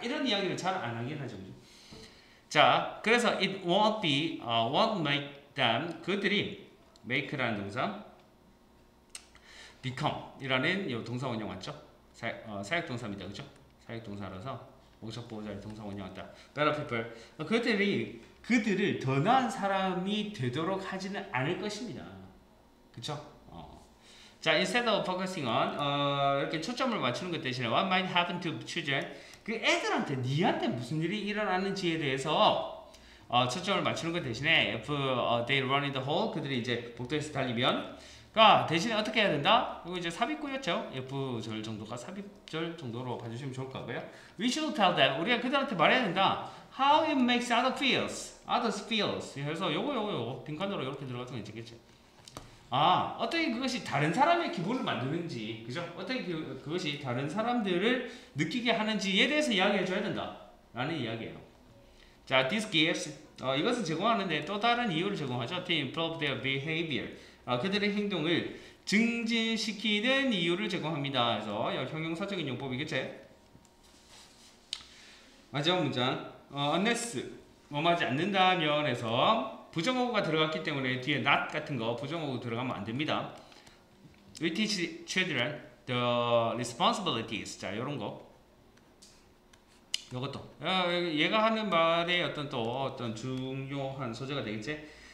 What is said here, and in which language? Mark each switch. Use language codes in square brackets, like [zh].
[ko] 이런 이야기를 잘 안 하긴 하죠. 자, 그래서 [en] it won't be, won't make them, [ko] 그들이 make라는 동사, become 이라는 이 동사 원형 왔죠? 사역 동사입니다. 그죠? 사역 동사라서, 목적 보호자의 동사 원형 왔다. [en] Better people. [ko] 그들이 그들을 더 나은 사람이 되도록 하지는 않을 것입니다. 그쵸? [en] 자, instead of focusing on, [ko] 이렇게 초점을 맞추는 것 대신에, [en] what might happen to children? [ko] 그 애들한테, 니한테 무슨 일이 일어나는지에 대해서, 초점을 맞추는 것 대신에, [en] if they run in the hole, [ko] 그들이 이제 복도에서 달리면, 대신에 어떻게 해야 된다? 이거 이제 삽입구였죠? F절 정도가 삽입절 정도로 봐주시면 좋을 것 같고요. [en] We should tell them, [ko] 우리가 그들한테 말해야 된다. [en] How it makes others feel. Others feel. [ko] 그래서 요거, 빈칸으로 이렇게 들어갔던 게 있겠죠. 어떻게 그것이 다른 사람의 기분을 만드는지, 그죠? 어떻게 그것이 다른 사람들을 느끼게 하는지에 대해서 이야기해줘야 된다. 라는 이야기예요. 자, [en] this gives, [ko] 이것은 제공하는데 또 다른 이유를 제공하죠. [en] To improve their behavior. [ko] 그들의 행동을 증진시키는 이유를 제공합니다. 그래서 형용사적인 용법이겠지? 마지막 문장. unless, 뭐하지 않는다면 해서 부정어구가 들어갔기 때문에 뒤에 not 같은 거 부정어구 들어가면 안 됩니다. [en] We teach children the responsibilities. [ko] 자, 요런 거. 요것도. 얘가 하는 말의 어떤 또 어떤 중요한 소재가 되겠지?